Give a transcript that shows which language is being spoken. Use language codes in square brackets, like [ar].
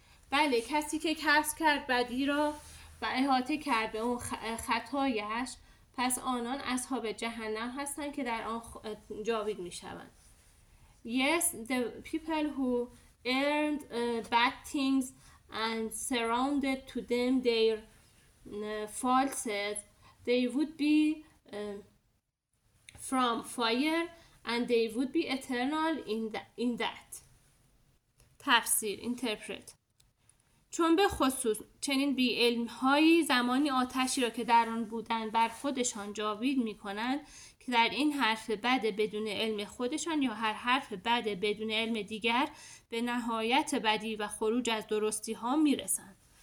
[fa] بله، کسی که کسب کرد بدی را و احاطه کرد به اون خطایش، پس آنان اصحاب جهنم هستند که در آن جاوید می شوند. [en] Yes, the people who earned bad things and surrounded to them their falsehood, they would be from fire, and they would be eternal in that. [fa] تفسیر، interpret. چون به خصوص چنین بی علم‌های زمانی آتشی را که در آن بودن بر خودشان جاوید می کنند که در این حرف بد بدون علم خودشان یا هر حرف بد بدون علم دیگر به نهایت بدی و خروج از درستی ها می رسند.